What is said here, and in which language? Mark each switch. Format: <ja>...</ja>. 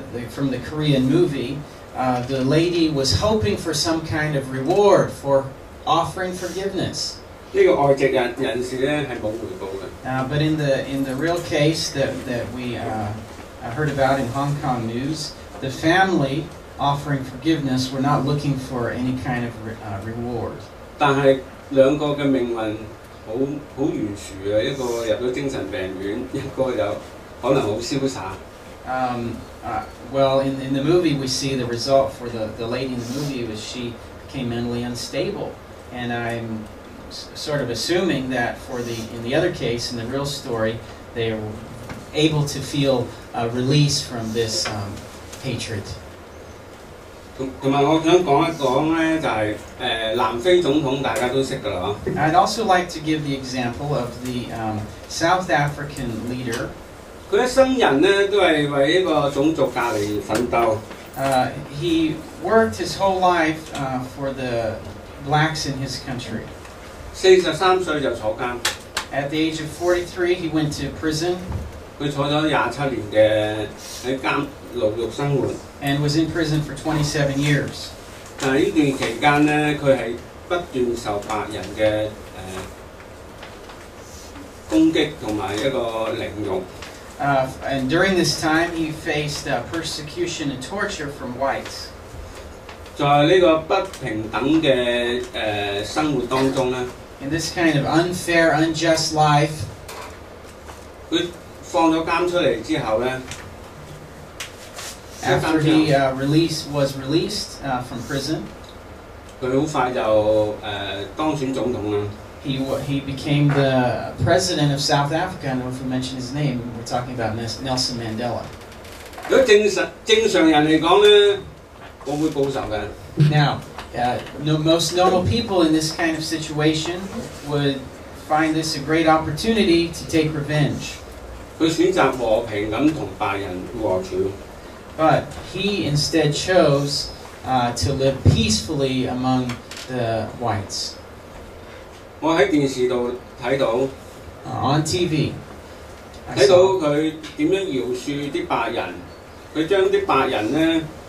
<en>From the Korean movie, the lady was hoping for some kind of reward for offering forgiveness.</en> <yue>这个外籍人士咧系冇回报嘅。</yue> <en>But in the real case that we heard about in Hong Kong news, the family offering forgiveness were not looking for any kind of reward.</en> <yue>但系两个嘅命运好悬殊啊！一个入咗精神病院，一个又可能好潇洒。</yue> <en>In the movie we see the result for the lady in the movie was she became mentally unstable, and I'm. Sort of assuming that for the in the other case in the real story, they were able to feel a release from this hatred.</en> <yue>同埋我想講一講咧，就係南非總統大家都識噶啦。</yue> <en>I'd also like to give the example of the South African leader.</en> <yue>佢一生人咧都係為呢個種族隔離奮鬥。</yue> <en>He worked his whole life for the blacks in his country.</en> <yue>43歲就坐監。</yue> <en>At the age of 43, he went to prison.</en> <yue>佢坐咗27年嘅喺監牢獄生活。</yue> <en>And was in prison for 27 years.</en> <yue>但係呢段期間咧，佢係不斷受白人嘅攻擊同埋一個凌辱。</yue> <en>And during this time, he faced persecution and torture from whites.</en> <yue>在呢個不平等嘅生活當中咧</yue> <en>，in this kind of unfair, unjust life，</en> <yue>佢放咗監出嚟之後咧</yue> <en>，after he was released from prison，</en> <yue>佢好快就當選總統啦。</yue> <en>He became the president of South Africa. I don't know if you mentioned his name. We're talking about Nelson Mandela.</en> <yue>如果正常人嚟講咧。我會報仇嘅。</yue> <en>Now, most normal people in this kind of situation would find this a great opportunity to take revenge.</en> <yue>佢選擇和平咁同白人和處。</yue> <en>But he instead chose to live peacefully among the whites.</en> <yue>我喺電視度睇到。</yue> <en>On TV.</en> <yue>睇到佢點樣饒恕啲白人，佢將啲白人咧。</yue>